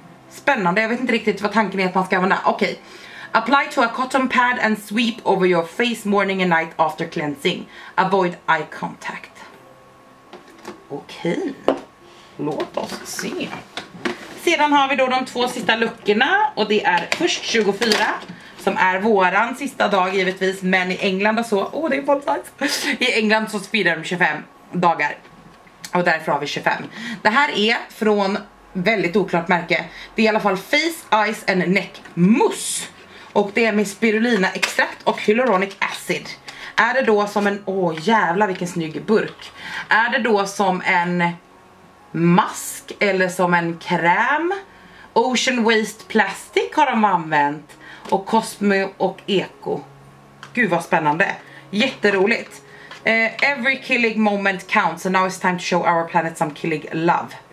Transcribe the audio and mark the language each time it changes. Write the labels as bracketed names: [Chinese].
[Swedish] Spännande, jag vet inte riktigt vad tanken är att man ska använda. Okej. [English] Apply to a cotton pad and sweep over your face morning and night after cleansing. Avoid eye contact. Okej. [Swedish] Låt oss se. Sedan har vi då de två sista luckorna. Och det är först 24. Som är våran sista dag givetvis. Men i England och så. Åh, det är full size. I England så firar de 25 dagar. Och därför har vi 25. Det här är från väldigt oklart märke. Det är i alla fall Face, Eyes and Neck Mousse. Och det är med spirulina extrakt och hyaluronic acid. Är det då som en... Åh, jävla vilken snygg burk. Är det då som en... mask eller som en kräm. [English] Ocean waste plastic [Swedish] har de använt. och Cosmo och Eko. Gud vad spännande. Jätteroligt. [English] Every killing moment counts and now it's time to show our planet some killing love.